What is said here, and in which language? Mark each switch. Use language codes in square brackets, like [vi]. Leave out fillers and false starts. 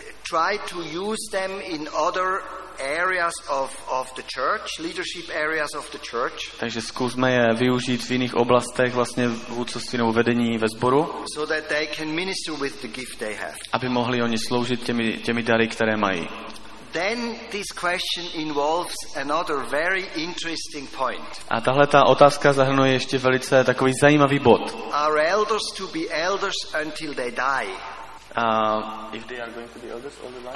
[en] Try to use them in other areas of the church, leadership areas of the church. [cs] Takže zkusme je využít v jiných oblastech vlastně vůdcovství nebo vedení ve sboru. [en] So that they can minister with the gift they have. [cs] Aby mohli oni sloužit těmi dary, které mají. [en] Then this question involves another very interesting point. [cs] A tahle ta otázka zahrnuje ještě velice takový zajímavý bod. [en] Are elders to be elders until they die? If they are going to be elders all the life.